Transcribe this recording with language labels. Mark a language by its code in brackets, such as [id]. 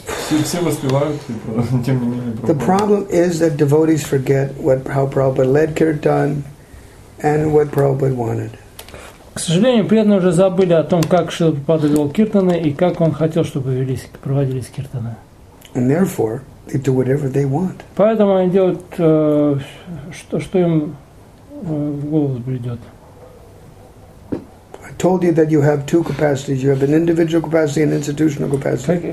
[en] The problem is that devotees forget how Prabhupada led kirtan and what Prabhupada wanted. [ru] К сожалению, преданные уже забыли о том, как Шрила Прабхупада вел киртаны и как он хотел, чтобы проводились киртаны. [en] And therefore, they do whatever they want. [ru] Поэтому они делают что им в голову взбредет. [en] Told you that you have two capacities. You have an individual capacity and institutional capacity.